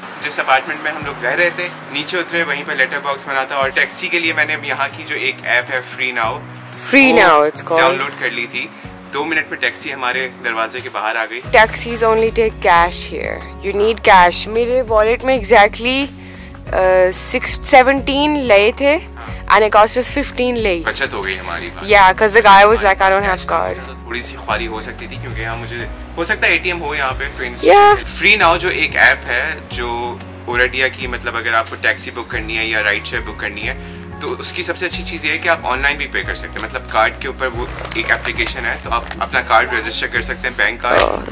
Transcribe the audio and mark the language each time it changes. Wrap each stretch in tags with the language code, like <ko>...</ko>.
<hi>जिस अपार्टमेंट में हम लोग रह रहे थे नीचे उतरे वहीं पर लेटर बॉक्स बना था, और टैक्सी के लिए मैंने यहाँ की जो एक ऐप है free now</hi> <en>it's called</en> <hi>download कर ली थी. 2 मिनट में टैक्सी हमारे दरवाजे के बाहर आ गई.</hi> <en>Taxis only take cash here, you need cash.</en> <hi>मेरे वॉलेट में एग्जैक्टली 17 लाए थे</hi> <en>and it cost us 15 lei.</en> <hi>बचत हो गई हमारी.</hi> <en>Yeah, cuz the guy was like I don't have card.</en> <hi>थोड़ी सी ख्वारी हो सकती थी क्योंकि यहाँ मुझे हो सकता है ATM हो यहाँ पे ट्रेन से.</hi> <en>Yeah.</en> <hi>Free Now जो एक ऐप है जो ओरेडिया की, मतलब अगर आपको टैक्सी बुक करनी है या राइड शेयर बुक करनी है तो उसकी सबसे अच्छी चीज़ ये है कि आप ऑनलाइन भी पे कर सकते हैं. मतलब कार्ड के ऊपर वो एक एप्लीकेशन है तो आप अपना कार्ड रजिस्टर कर सकते हैं बैंक कार्ड.</hi>